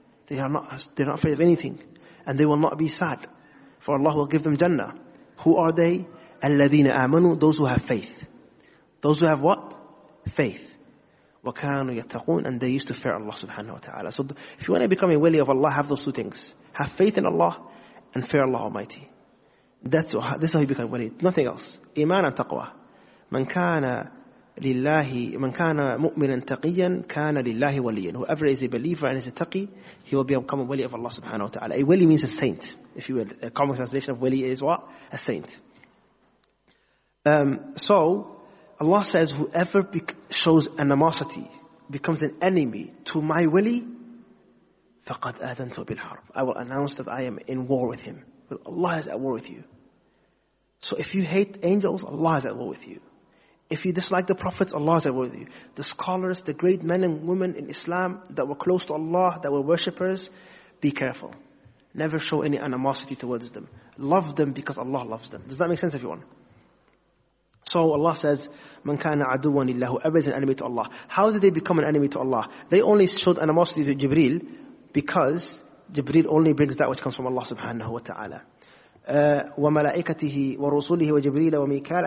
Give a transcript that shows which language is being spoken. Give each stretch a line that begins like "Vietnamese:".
English: They're not afraid of anything. And they will not be sad. For Allah will give them Jannah. Who are they?
Arabic: الَّذِينَ آمَنُوا.
English: Those who have faith. Those who have what? Faith.
Arabic: وَكَانُوا يَتَّقُونَ.
English: And they used to fear Allah subhanahu wa ta'ala. So if you want to become a wali of Allah, have those two things. Have faith in Allah and fear Allah Almighty. This is how you become a wali. Nothing else. إيمان and تقوى.
Arabic: من كان لله من كان مؤمنا تقيا كان لله وليا.
English: Whoever is a believer and is a taqi, he will become a wali of Allah subhanahu wa ta'ala. A wali means a saint. If you will, a common translation of wali is what? A saint. So Allah says, whoever shows animosity, becomes an enemy to my wali,
Arabic: فَقَدْ أَذَنْتُ بِالْحَرْبِ.
English: I will announce that I am in war with him. But Allah is at war with you. So if you hate angels, Allah is at war with you. If you dislike the prophets, Allah is at war with you. The scholars, the great men and women in Islam that were close to Allah, that were worshippers, be careful. Never show any animosity towards them. Love them because Allah loves them. Does that make sense, everyone? So Allah says,
Arabic: "Man kana aduwan illahu,"
English: whoever is an enemy to Allah. How did they become an enemy to Allah? They only showed animosity to Jibreel because Jibreel only brings that which comes from Allah subhanahu wa ta'ala.
Arabic: وملائكته ورسوله وجبريل وميكال.